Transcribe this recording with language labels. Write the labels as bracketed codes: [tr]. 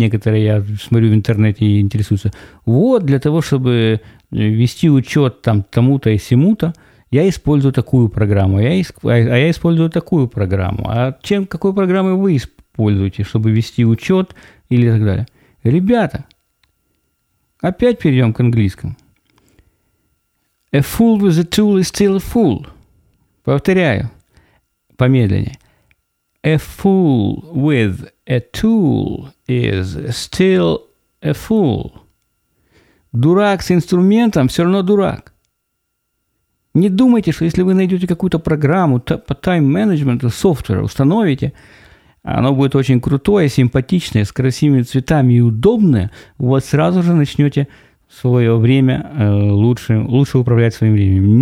[ru] Некоторые, я смотрю в интернете и интересуются. Вот для того, чтобы вести учет там тому-то и сему-то, я использую такую программу, я использую такую программу. А чем, какой программой вы используете, чтобы вести учет или так далее? Ребята, опять перейдем к английскому. [en] A fool with a tool is still a fool. [ru] Повторяю помедленнее. [en] A fool with a tool is still a fool. [ru] Дурак с инструментом все равно дурак. Не думайте, что если вы найдете какую-то программу по тайм-менеджменту, софтвер установите, оно будет очень крутое, симпатичное, с красивыми цветами и удобное, вы сразу же начнете свое время лучше управлять своим временем.